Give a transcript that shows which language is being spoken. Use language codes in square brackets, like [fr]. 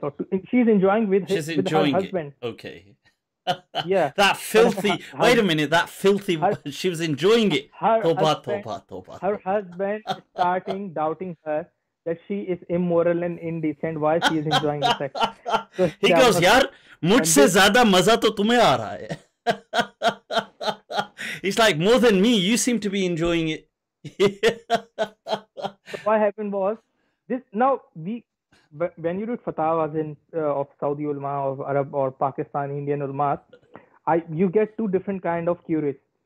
[en] Or she's enjoying with her husband. She's enjoying it, okay. Yeah. That filthy, wait a minute, that filthy, she was enjoying it. Her husband is starting doubting her. That she is immoral and indecent while she is enjoying the sex. So he goes, [ur] یار، مجھسے زیادہ مزہ تو تمہیں آ رہا ہے۔ [en] He's like, more than me, you seem to be enjoying it. So what happened was, when you do fatawas of Saudi ulama or Arab or Pakistan Indian ulama, you get two different kind of curates.